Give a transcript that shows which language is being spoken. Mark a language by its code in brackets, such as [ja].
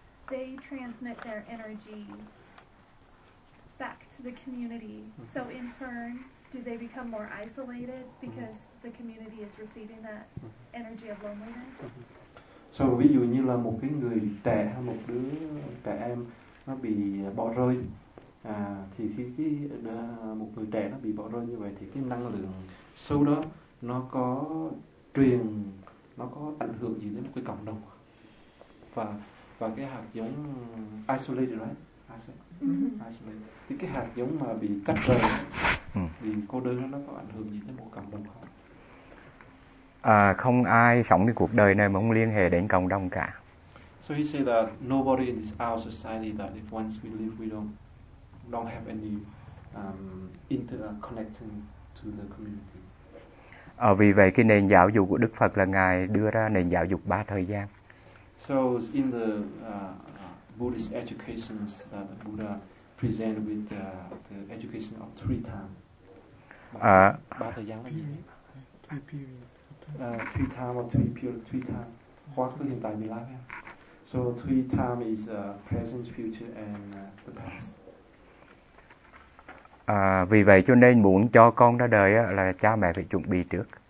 [en] they transmit their energy back to the community. Mm-hmm. So in turn, do they become more isolated because mm-hmm. the community is receiving that mm-hmm. energy of loneliness? [vi] So ví dụ như là một cái người trẻ hay một đứa trẻ em nó bị bỏ rơi, thì khi một người trẻ nó bị bỏ rơi như vậy thì cái năng lượng sâu đó nó có truyền, nó có ảnh hưởng gì đến một cái cộng đồng và cái hạt giống [en] isolated, right? [vi] Isolated. Thì cái hạt giống mà bị cắt rời, bị cô đơn đó, nó có ảnh hưởng gì đến một cộng đồng không? Không ai sống cái cuộc đời này mà không liên hệ đến cộng đồng cả. [en] So he said that nobody in this our society that if once we leave we don't have any interconnecting to the community. [vi] Vì vậy cái nền giáo dục của Đức Phật là ngài đưa ra nền giáo dục ba thời gian. [en] So in the Buddhist education that the Buddha presented with the education of three time. [vi] Ba thời gian là gì? [en] Three period. Three time or three period, three time. [vi] Khóa cứ hiện tại mình làm em. [en] So three time is present, future and the past. [vi] Vì vậy cho nên muốn cho con ra đời là cha mẹ phải chuẩn bị trước.